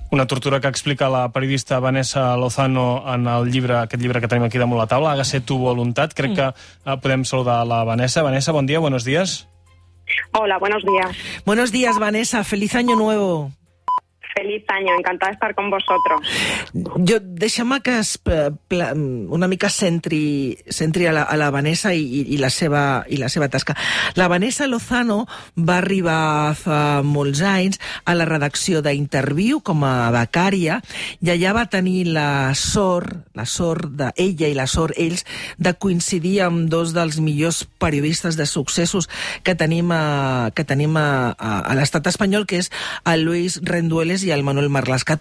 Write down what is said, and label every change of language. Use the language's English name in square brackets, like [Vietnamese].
[Catalan] Una tortura que explica la periodista Vanessa Lozano en el llibre, aquest llibre que tenim aquí damunt la taula, Hágase tu voluntat. Crec que podem saludar la Vanessa. Vanessa, bon dia, [Spanish] buenos días. Hola, buenos días. Buenos días, Vanessa. Feliz año nuevo. Feliz año, encantada de estar con vosotros. [Catalan] Yo, deixa'm que es una mica centri a la Vanessa i la seva tasca. La Vanessa Lozano va arribar fa molts anys a la redacció d'Interviu com a becària, i allà va tenir la sort d'ella i la sort ells de coincidir amb dos dels millors periodistes de successos que tenim a l'estat espanyol, que és el Luis Rendueles i el Manuel Marlaska.